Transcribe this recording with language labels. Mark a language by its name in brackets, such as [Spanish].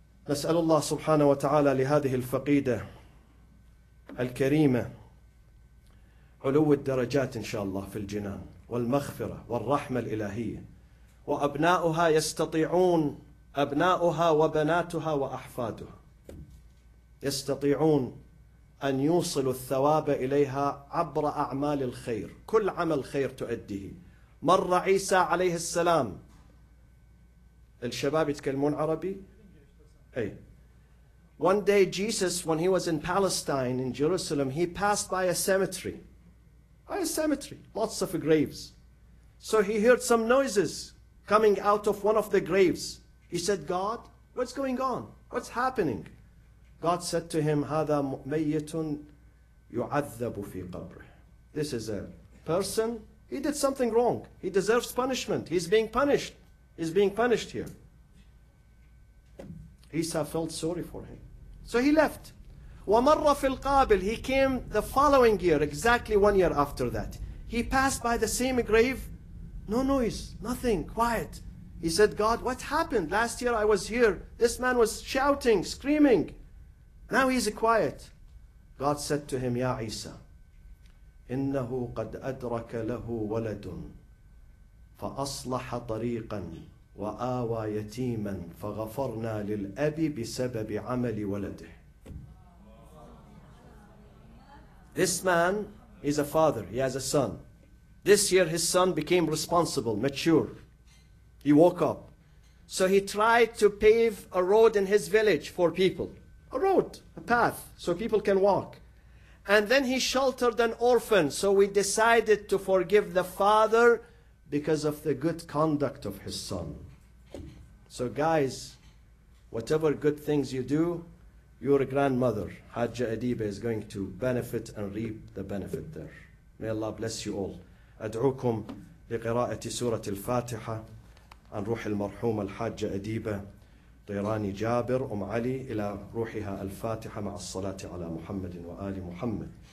[Arabic] نسأل الله سبحانه وتعالى لهذه الفقيدة الكريمة علو الدرجات إن شاء الله في الجنان، والمغفرة والرحمة الإلهية، وأبناؤها يستطيعون، أبناؤها وبناتها وأحفادها يستطيعون أن يوصلوا الثواب إليها عبر أعمال الخير، كل عمل خير تؤديه. مر عيسى عليه السلام، الشباب يتكلمون عربي؟ أي. [English] One day Jesus when he was in Palestine in Jerusalem he passed by a cemetery. By a cemetery, lots of graves. So he heard some noises coming out of one of the graves. He said, God, what's going on? What's happening? God said to him, [Arabic] هذا ميت يعذب في قبره. [English] This is a person. He did something wrong. He deserves punishment. He's being punished. He's being punished here. Isa felt sorry for him. So he left. [Arabic] ومر في القابل. [English] He came the following year, exactly 1 year after that. He passed by the same grave. No noise, nothing, quiet. He said, God, what happened? Last year I was here. This man was shouting, screaming. Now he's quiet. God said to him, [Arabic] يا عيسى إنه قد أدرك له ولد فأصلح طريقا وآوى يتيما فغفرنا للأبي بسبب عمل ولده. [English] This man is a father. He has a son. This year his son became responsible, mature. He woke up. So he tried to pave a road in his village for people. A road, a path, so people can walk. And then he sheltered an orphan. So we decided to forgive the father because of the good conduct of his son. So guys, whatever good things you do, your grandmother, Hajja Adiba, is going to benefit and reap the benefit there. May Allah bless you all. [Arabic] أدعوكم لقراءة سورة الفاتحة عن روح المرحومة الحاجة أديبة طيراني جابر أم علي إلى روحها الفاتحة مع الصلاة على محمد وآل محمد.